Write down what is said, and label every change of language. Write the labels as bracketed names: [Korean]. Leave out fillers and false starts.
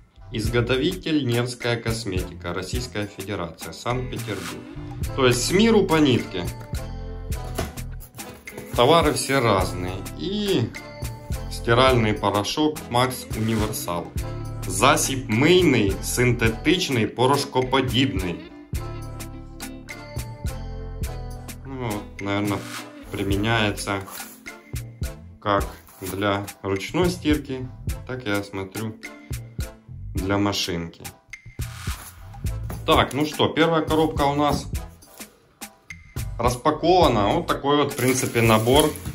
[Russian] Изготовитель — Невская косметика, Российская Федерация, Санкт-Петербург. То есть с миру по нитке. Товары все разные. И стиральный порошок Макс Универсал. [Ukrainian] Засіб мийний, синтетичний, порошкоподібний. [Russian] Ну, наверное, применяется как для ручной стирки, так я смотрю, для машинки. Так, ну что, первая коробка у нас распакована. Вот такой вот, в принципе, набор.